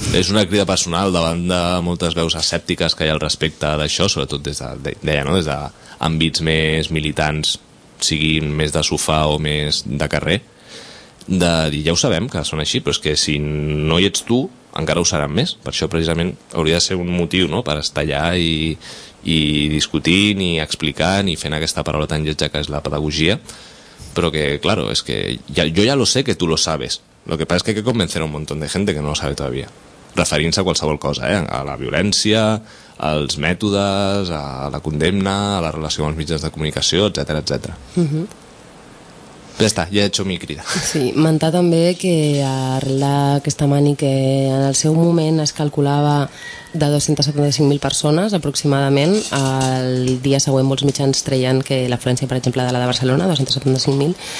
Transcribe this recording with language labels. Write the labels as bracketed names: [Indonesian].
[Catalan] És una crida personal davant de moltes veus escèptiques que hi ha al respecte d'això, sobretot des d'àmbits més militants, siguin més de sofà o més de carrer, de dir, ja ho sabem que són així, però és que si no hi ets tu, encara ho seran més. Per això precisament hauria de ser un motiu, no?, per estar allà i discutint i explicant i fent aquesta paraula tan lletja que és la pedagogia. [Spanish] Pero que, claro, es que yo ya lo sé que tú lo sabes. Lo que pasa es que hay que convencer a un montón de gente que no lo sabe todavía. [Catalan] Referirse a qualsevol cosa, a la violència, als mètodes, a la condemna, a la relació amb els mitjans de comunicació, etcètera, etcètera. Ja està, ja [Spanish] he hecho mi [Catalan] crida. Sí, mentar també que arrel d'aquesta mani que en el seu moment es calculava de 275.000 persones aproximadament, el dia següent molts mitjans treien que l'afluència, per exemple, de la de Barcelona, 275.000,